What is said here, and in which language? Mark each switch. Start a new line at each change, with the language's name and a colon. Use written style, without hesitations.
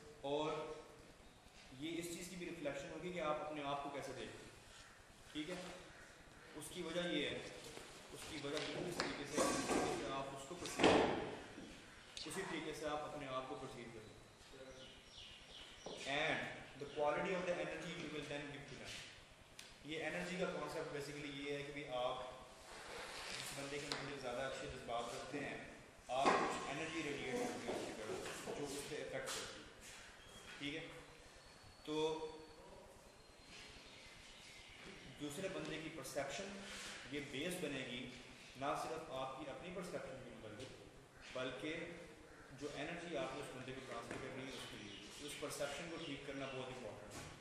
Urdu: اور یہ اس چیز کی بھی ریفلیکشن ہوگی کہ آپ اپنے آپ کو کیسے دیکھ رہے ہیں. ٹھیک ہے, اس کی وجہ یہ ہے, اس کی وجہ بالکل اس طریقے سے کہ آپ اس کو پرسیو کریں, اسی طریقے سے آپ اپنے آپ کو پرسیو کریں.
English: And the quality of the energy you will then give to them.
Urdu: یہ انرجی کا کانسیپٹ بیسیکلی یہ ہے کہ آپ جس بندے کے اندر زیادہ اچھے جذبات رکھتے ہیں آپ کچھ انرجی ریڈیٹ کرتے ہیں اس کی طرف جو اس سے افیکٹ کرتی ہے. ٹھیک ہے, تو دوسرے بندے کی پرسیپشن یہ بیس بنے گی نہ صرف آپ کی اپنی پرسیپشن کے متعلق بلکہ جو انرجی آپ نے اس بندے کو ٹرانسفر کرنی ہے اس کے لیے اس پرسیپشن کو ٹھیک کرنا بہت امپورٹنٹ ہے.